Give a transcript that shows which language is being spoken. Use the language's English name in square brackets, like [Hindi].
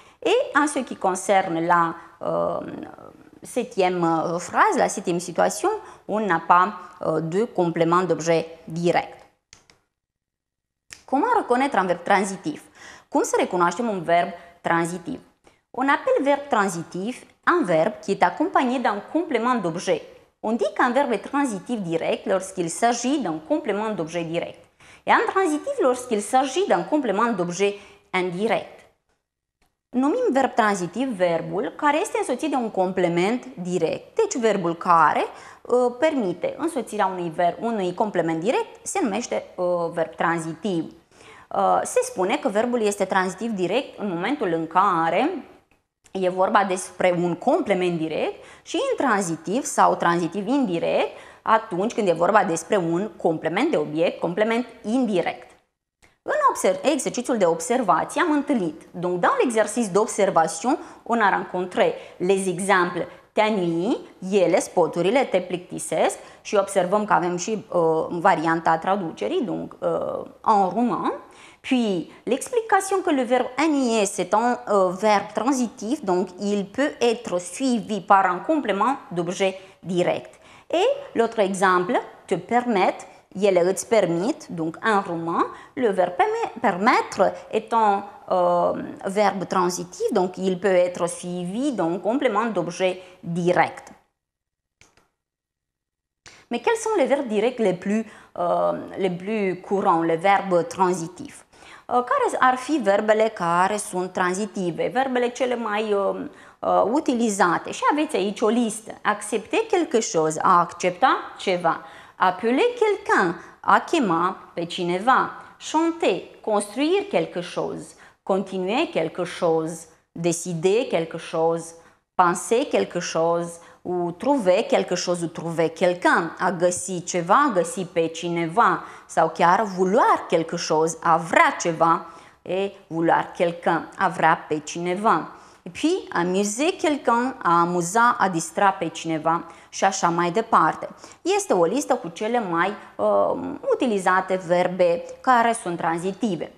[French] Et en ce qui concerne la septième phrase, la septième situation, on n'a pas de complément d'objet direct. Comment reconnaître un verbe transitif? [Romanian] Cum să recunoaștem un verb tranzitiv? [French] On appelle verbe transitif un verbe qui est accompagné d'un complément d'objet. On dit qu'un verbe est transitif direct lorsqu'il s'agit d'un complément d'objet direct. Et un transitif lorsqu'il s'agit d'un complément d'objet indirect. [Romanian] Numim verb tranzitiv verbul care este însoțit de un complement direct. Deci verbul care permite însoțirea unui complement direct se numește verb tranzitiv. Se spune că verbul este tranzitiv direct în momentul în care e vorba despre un complement direct și intranzitiv sau tranzitiv indirect atunci când e vorba despre un complement de obiect, complement indirect. În exercițiul de observație am întâlnit. [French] Donc, dans l'exercice d'observation, on a rencontré les exemples t'ennuie, [Romanian] ele, spoturile, te plictisesc și observăm că avem și varianta traducerii, [French] donc en roman. Puis, l'explication que le verbe ennuyer, c'est un verbe transitif, donc il peut être suivi par un complément d'objet direct. Et l'autre exemple, te permettre, [Romanian] ele îți permit, [French] donc en roman, le verbe permettre est un verbe transitif, donc il peut être suivi d'un complément d'objet direct. Mais quels sont les verbes directs les plus courants, les verbes transitifs? [Romanian] Care ar fi verbele care sunt transitive, verbele cele mai utilizate? Și aveți aici o listă. [French] Accepter quelque chose, [Romanian] a accepta ceva. [French] Appeler quelqu'un, [Romanian] a chema pe cineva. [French] Chanter, construire quelque chose. Continuer quelque chose. Décider quelque chose. Penser quelque chose. Ou trouver quelque chose, ou trouver quelqu'un. [Romanian] A găsi ceva, a găsi pe cineva. Sau chiar [French] vouloir quelque chose, [Romanian] a vrea ceva. E [French] vouloir quelqu'un, [Romanian] a vrea pe cineva. [French] Et puis, amuser quelqu'un, [Romanian] a amuza, a distra pe cineva și așa mai departe. Este o listă cu cele mai utilizate verbe care sunt tranzitive.